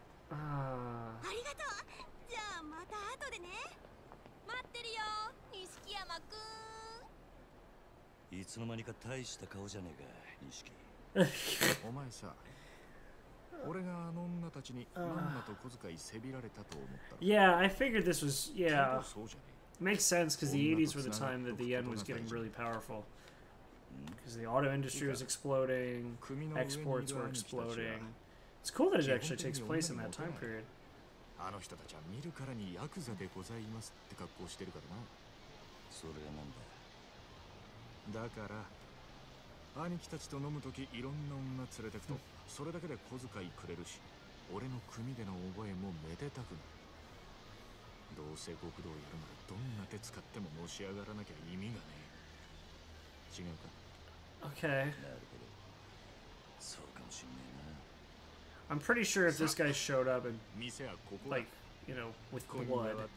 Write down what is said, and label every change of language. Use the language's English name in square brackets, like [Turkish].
[Japanese] ありがとう。じゃあまた後でね。待ってるよ、錦山君。いつの間にか大した顔じゃねえか、錦。お前さ、俺があの女たちにまんまと小遣いせびられたと思った。 [English] Yeah, I figured this was, yeah. Makes sense, because the 80s were the time that the yen was getting really powerful. Because the auto industry was exploding, exports were exploding. It's cool that it actually takes place in that time period. [Japanese] あの人たちは見るからにヤクザでございますって格好してるからな。それがなんだ。だから兄貴たちと飲むときいろんな女連れてくとそれだけで小遣いくれるし俺の組での覚えもめでたくなるどうせ極道やるならどんな手使ってものし上がらなきゃ意味がねえ違うか [English] Okay [Japanese] なるほどそうかもしんねえな [English] I'm pretty sure if this guy showed up and, like, you know, with blood.